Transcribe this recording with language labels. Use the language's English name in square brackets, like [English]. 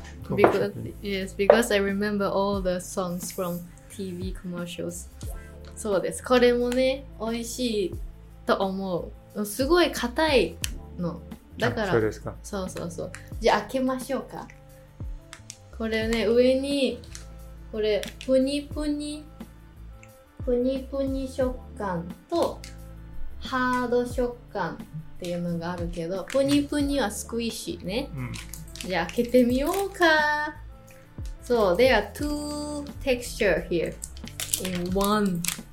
[English] Because, yes, because I remember all the songs from TV commercials. [Japanese] そうです。これもね、美味しいと思う。すごい硬いの。だから、そうですか。そうそうそう。じゃあ開けましょうか。これね、上に、これ、ぷにぷに、ぷにぷに食感と、ハード食感っていうのがあるけど、ぷにぷにはスクイッシーね。うん、じゃあ開けてみようか。 [English] So, there are two texture here in one.